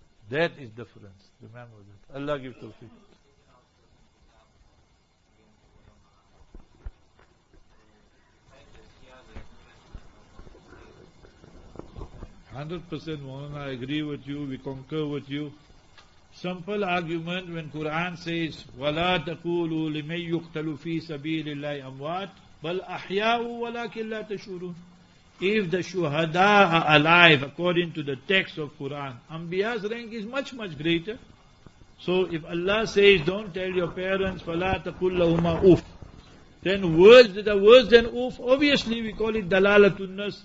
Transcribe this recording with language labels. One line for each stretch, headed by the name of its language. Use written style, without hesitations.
English: That is difference, remember that. Allah give tawfiq. I agree with you, we concur with you. simple argument when Quran says,
Arabic: وَلَا تَقُولُوا لِمَنْ يُقْتَلُ فِي سَبِيلِ اللَّهِ أَمْوَاتٍ بَلْ أَحْيَاءُ وَلَكِنْ لَا تَشْعُرُونَ.
English: If the shuhada are alive according to the text of Quran, Anbiya's rank is much, much greater. So if Allah says, don't tell your parents,
Arabic: فَلَا تَقُلْ لَهُمَا أُفْ,
English: then words that are worse than oof, obviously we call it dalalatun nas.